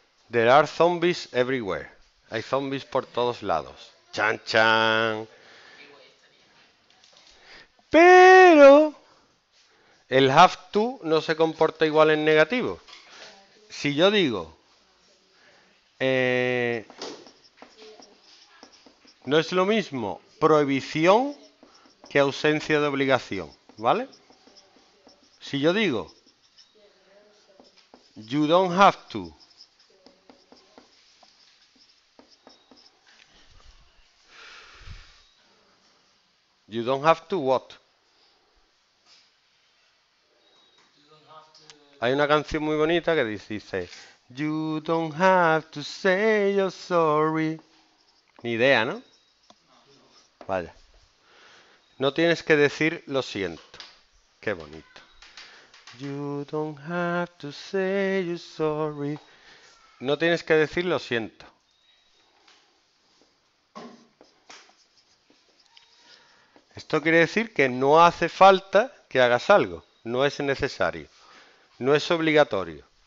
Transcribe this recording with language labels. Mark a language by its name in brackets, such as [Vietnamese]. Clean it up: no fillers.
[English] There are zombies everywhere. [Spanish] Hay zombies por todos lados. Chan, chan. Pero el have to no se comporta igual en negativo. Si yo digo, no es lo mismo prohibición que ausencia de obligación, ¿vale? [English] Si yo digo, you don't have to. You don't have to what? [Spanish] Hay una canción muy bonita que dice, you don't have to say you're sorry. Ni idea, ¿no? Vaya. No tienes que decir lo siento. Qué bonito. [English] You don't have to say you're sorry. [Spanish] No tienes que decir lo siento. Esto quiere decir que no hace falta que hagas algo. No es necesario. No es obligatorio.